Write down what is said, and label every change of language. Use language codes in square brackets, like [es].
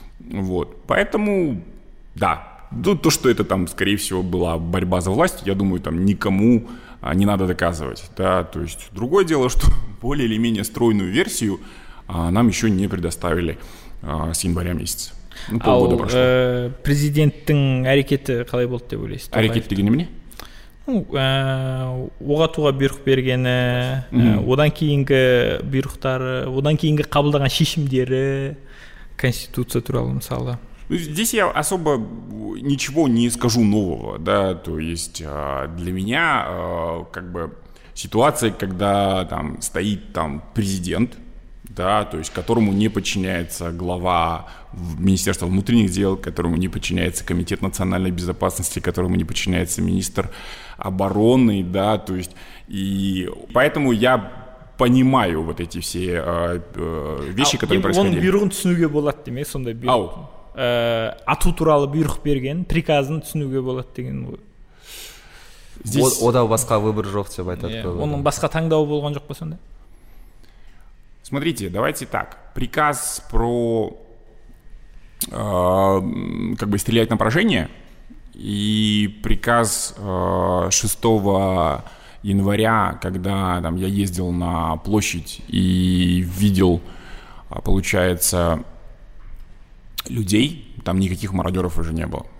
[ru] Вот, поэтому, да, то, что это там, скорее всего, была борьба за власть, я думаю, там никому не надо доказывать, да, то есть другое дело, что более или менее стройную версию нам еще не предоставили с января месяца. Ну, полгода прошло. [kk] Президенттің әрекеті қалай болды деп ойлайсыз? Әрекет дегені міне? Оға-туға бұйрық бергені, одан кейінгі бұйрықтары, одан кейінгі қабылдаған шешімдері, конституция туралы мысалы. [ru] Здесь я особо ничего не скажу нового, да, то есть для меня как бы ситуация, когда там стоит там президент, да, то есть которому не подчиняется глава Министерства внутренних дел, которому не подчиняется Комитет национальной безопасности, которому не подчиняется министр обороны, да, то есть и поэтому я понимаю вот эти все вещи, которые происходили. [kk] Он бюрон түсінуге болады деме, сонда бюрон. Ату туралы бұйрық берген приказын түсінуге болады деген ғой. [ru] Здесь [kk] ода басқа выбор жоқ деп айтады. Yeah, оның басқа таңдауы болған жоқ па сонда? [ru] Смотрите, давайте так. Приказ про как бы стрелять на поражение и приказ 6 января, когда там я ездил на площадь и видел, получается, людей, там никаких мародеров уже не было.